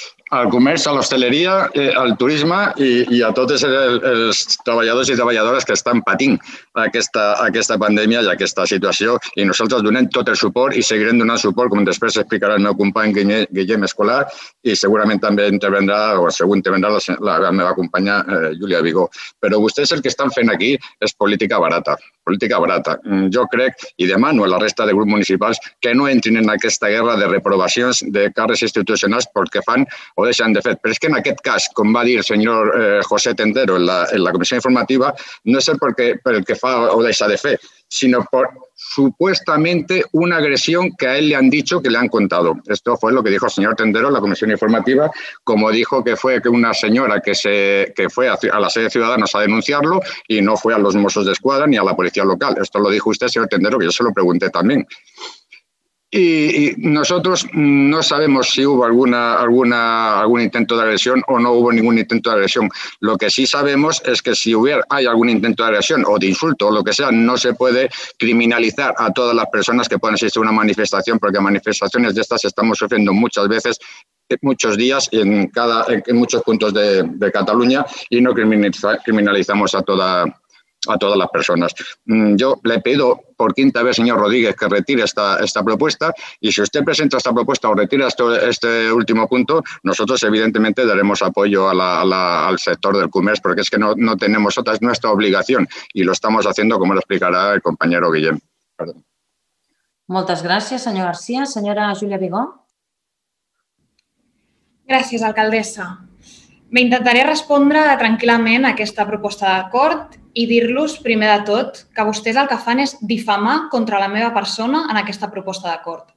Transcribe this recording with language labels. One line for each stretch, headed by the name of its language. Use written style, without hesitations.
Spanish: Al comercio, a la hostelería, al turismo y a todos los trabajadores y trabajadoras que están
Catalan: patint
Spanish: a esta pandemia y a esta situación.
Catalan: Y nosotros donem tot el suport y seguirem donant suport, com després explicarà el meu company Guillem Escolà i segurament també intervendrà o segur intervendrà la meva companya Júlia Vigó. Però vostès el que estan fent aquí és política barata. Política barata. Jo crec, i demano a la resta de grups municipals, que no entrin en aquesta guerra de reprovacions de càrrecs institucionals perquè fan o deixen de fer. Però és que en aquest cas, com va dir el senyor José Tendero en la comissió informativa, no és pel que fa o deixa de fer, sinó per
Spanish: supuestamente una agresión que a él le han dicho que le han contado. Esto fue lo que dijo el señor Tendero en la comisión informativa, como dijo que fue que una señora que fue a la sede de Ciudadanos a denunciarlo y no fue a los Mossos de Escuadra ni a la policía local. Esto lo dijo usted, señor Tendero, que yo se lo pregunté también. Y nosotros no sabemos si hubo algún intento de agresión o no hubo ningún intento de agresión. Lo que sí sabemos es que si hay algún intento de agresión o de insulto o lo que sea, no se puede criminalizar a todas las personas que puedan asistir a una manifestación, porque manifestaciones de estas estamos sufriendo muchas veces, muchos días en muchos puntos de Cataluña y no criminalizamos a todas las personas. Yo le pido por quinta vez, señor Rodríguez, que retire esta propuesta y si usted presenta esta propuesta o retira este último punto, nosotros evidentemente daremos apoyo al sector del comercio, porque es que no tenemos otra, es nuestra obligación y lo estamos haciendo como lo explicará el compañero Guillem. Perdón.
Catalan: Moltes gràcies, senyor García. Senyora Júlia Vigó. Gràcies, alcaldessa. M'intentaré respondre tranquil·lament a aquesta proposta d'acord i dir-los, primer de tot, que vostès el que fan és difamar contra la meva persona en aquesta proposta d'acord.